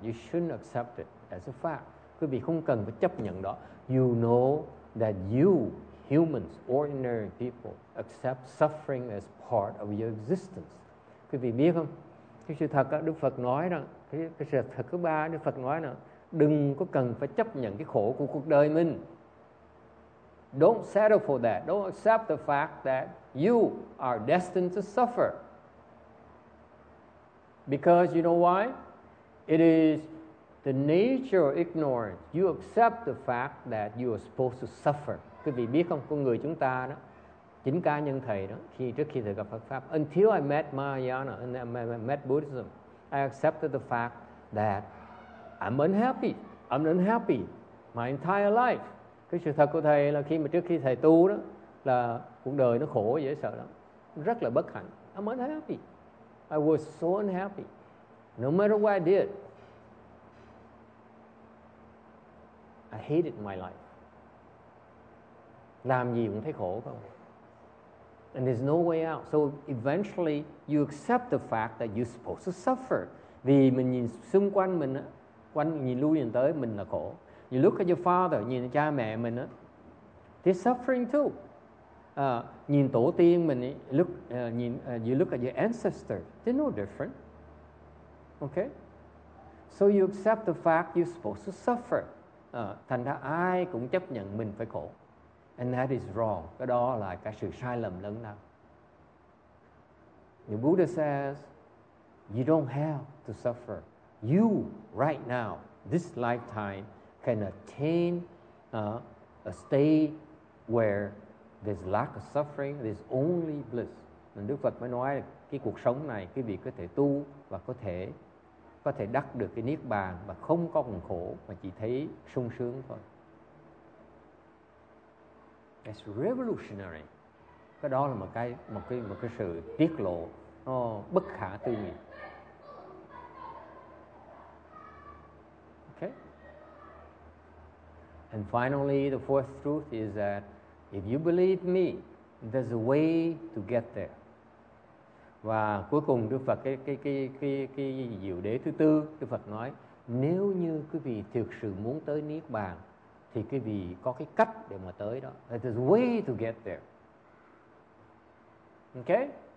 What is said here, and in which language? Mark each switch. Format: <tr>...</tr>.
<en>You shouldn't accept it as a fact.</en> <vi>Quý vị không cần phải chấp nhận đó.</vi> <en>You know that you humans, ordinary people, accept suffering as part of your existence.</en> <vi>Quý vị biết không? Cái sự thật đó, Đức Phật nói rằng, cái sự thật thứ ba Đức Phật nói là đừng có cần phải chấp nhận cái khổ của cuộc đời mình.</vi> <en>Don't settle for that. Don't accept the fact that you are destined to suffer. Because you know why? It is the nature of ignorance. You accept the fact that you are supposed to suffer.</en> <vi>Quý vị biết không, con người chúng ta đó, chính cá nhân thầy đó, khi trước khi thầy gặp Phật pháp,</vi> <en>until I met Mahayana and I met Buddhism, I accepted the fact that I'm unhappy my entire life.</en> <vi>Cái sự thật của thầy là khi mà trước khi thầy tu đó, là cuộc đời nó khổ dễ sợ lắm, rất là bất hạnh.</vi> <en>I'm unhappy, I was so unhappy no matter what I did, I hated my life.</en> <vi>Làm gì cũng thấy khổ không?</vi> <en>And there's no way out. So eventually you accept the fact that you're supposed to suffer.</en> <vi>Vì mình nhìn xung quanh mình á, quanh nhìn lui nhìn tới mình là khổ.</vi> <en>You look at your father,</en> <vi>nhìn cha mẹ mình á,</vi> <en>they're suffering too.</en> <vi>Nhìn tổ tiên mình ấy,</vi> <en>you look at your ancestor, they're no different. Okay? So you accept the fact you're supposed to suffer.</en> <vi>Thành ra ai cũng chấp nhận mình phải khổ.</vi> <en>And that is wrong.</en> <vi>Cái đó là cái sự sai lầm lớn lao.</vi> <en>The Buddha says, you don't have to suffer. You, right now, this lifetime, can attain a state where there's lack of suffering, there's only bliss.</en> <vi>Nên Đức Phật mới nói cái cuộc sống này, quý vị có thể tu và có thể đắc được cái niết bàn mà không có còn khổ, mà chỉ thấy sung sướng thôi.</vi> <en>It's revolutionary.</en> <vi>Cái đó là một cái sự tiết lộ nó bất khả tư nghị.</vi> <en>Okay. And finally, the fourth truth is that if you believe me, there's a way to get there.</en> <vi>Và cuối cùng Đức Phật cái diệu đế thứ tư, Đức Phật nói, nếu như quý vị thực sự muốn tới niết bàn thì quý vị có cái cách để mà tới đó.</vi> <en>There's a way to get there. Okay?</en>